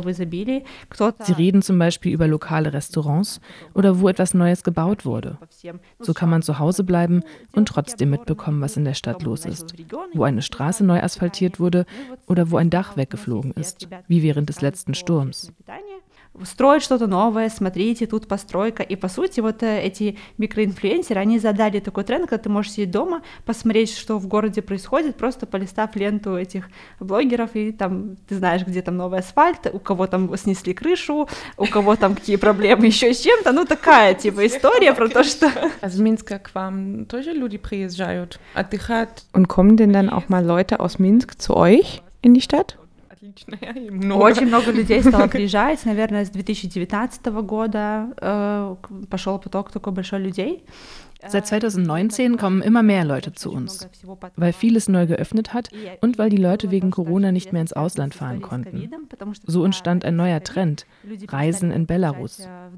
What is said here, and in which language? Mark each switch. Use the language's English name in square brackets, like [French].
[German] Sie reden zum Beispiel über lokale Restaurants oder wo etwas Neues gebaut wurde. So kann man zu Hause bleiben und trotzdem mitbekommen, was in der Stadt los ist, wo eine Straße neu asphaltiert wurde oder wo ein Dach weggeflogen ist. Wie während des letzten Sturms. [Russian] Строить что-то новое, смотрите, тут постройка. И по сути, вот эти микроинфлюенсеры, они задали такой тренд, когда ты можешь сидеть дома, посмотреть, что в городе происходит, просто полистав ленту этих блогеров, и там ты знаешь, где там новый асфальт, у кого там снесли крышу, у кого там какие проблемы еще с чем-то. Ну, такая типа история про то, что... Из Минска к вам тоже люди приезжают отдыхать. [German] Und kommen denn dann auch mal Leute aus Minsk zu euch in die Stadt? [Russian] Очень много людей стало приезжать, наверное, с 2019 года пошел поток такой большой людей. [German] Seit 2019 kommen immer mehr Leute zu uns, weil vieles neu geöffnet hat und weil die Leute wegen Corona nicht mehr ins Ausland fahren konnten. So entstand ein neuer Trend, Reisen in Belarus.